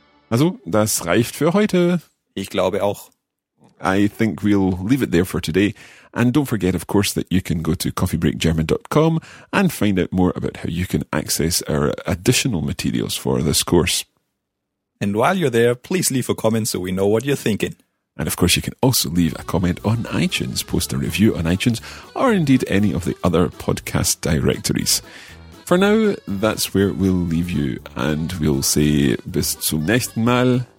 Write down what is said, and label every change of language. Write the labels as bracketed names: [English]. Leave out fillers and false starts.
[German] Also, das reicht für heute. Ich glaube auch. [English] I think we'll leave it there for today. And don't forget, of course, that you can go to coffeebreakgerman.com and find out more about how you can access our additional materials for this course. And while you're there, please leave a comment so we know what you're thinking. And of course, you can also leave a comment on iTunes, post a review on iTunes, or indeed any of the other podcast directories. For now, that's where we'll leave you. And we'll say [German] bis zum nächsten Mal.